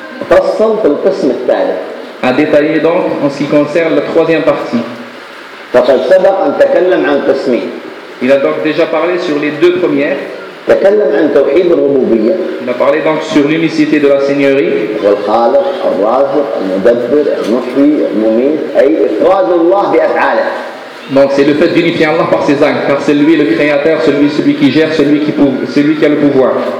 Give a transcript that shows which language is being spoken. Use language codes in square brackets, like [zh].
[ar] فصل في القسم الثالث [fr] a détaillé donc en ce qui concerne la troisième partie. [ar] فقد سبق أن تكلم عن قسمين. [fr] Il a donc déjà parlé sur les deux premières. [ar] تكلم عن توحيد الربوبية. [fr] Il a parlé donc sur l'unicité de la Seigneurie. [ar] والخالق الرازق المدبر المحيي المميت أي إفراد الله بأفعاله. [fr] Donc c'est le fait d'unifier Allah par ses actes, car c'est lui le créateur, celui qui gère, celui qui a le pouvoir.